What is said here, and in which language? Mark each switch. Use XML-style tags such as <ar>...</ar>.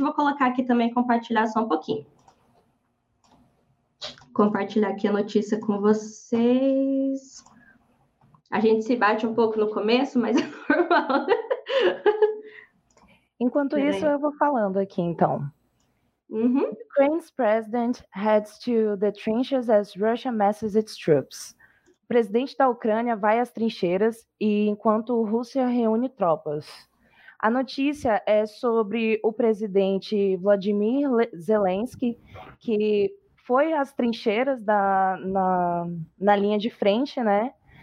<pt>Vou colocar aqui também, compartilhar só um pouquinho. Compartilhar aqui a notícia com vocês. A gente se bate um pouco no começo, mas é normal. Enquanto isso, eu vou falando aqui, então.</pt> <en>Ukraine's president heads to the trenches as Russia masses its troops.</en> <pt>O presidente da Ucrânia vai às trincheiras enquanto a Rússia reúne tropas. A notícia é sobre o presidente Vladimir Zelensky, que foi às trincheiras na linha de frente, né?</pt>